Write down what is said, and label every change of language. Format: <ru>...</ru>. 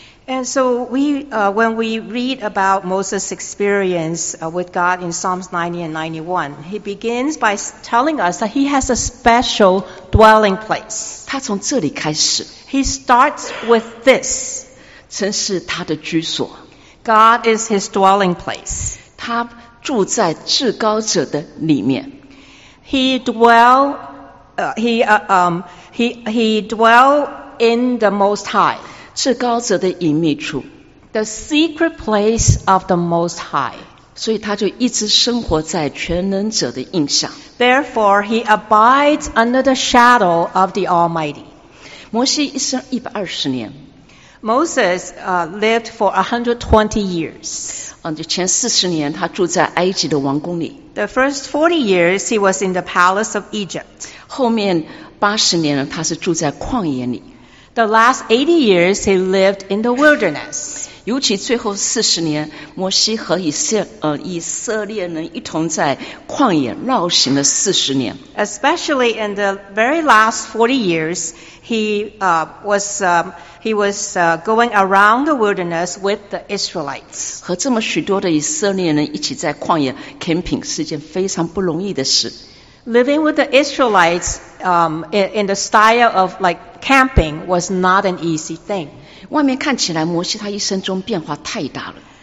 <en>And so when we read about Moses' experience with God in Psalms 90 and 91, he begins by telling us that he has a special dwelling place.</en> <zh>他从这里开始。</zh> <en>He starts with this.</en> <zh>真是他的居所。</zh> <en>God is his dwelling place.</en> <zh>他住在至高者的里面。</zh> <en>He dwell in the Most High.</en> <zh>至高者的隐秘处。</zh> <en>The secret place of the Most High.</en> <zh>所以他就一直生活在全能者的荫下。</zh> <en>Therefore, he abides under the shadow of the Almighty.</en> <zh>摩西一生一百二十年。</zh> <en>Moses lived for 120 years.</en> <zh>前四十年他住在埃及的王宫里。</zh> <en>The first 40 years he was in the palace of Egypt.</en> <zh>后面八十年他是住在旷野里。</zh> <en>The last 80 years he lived in the wilderness.</en> <zh>尤其最后四十年，摩西和以色列人一同在旷野绕行了四十年。</zh> <en>Especially in the very last 40 years, he was going around the wilderness with the Israelites.</en> <zh>和这么许多的以色列人一起在旷野 camping 是件非常不容易的事。</zh> <en>Living with the Israelites in the style of like camping was not an easy thing.</en> <zh>外面看起来摩西他一生中变化太大了。</zh>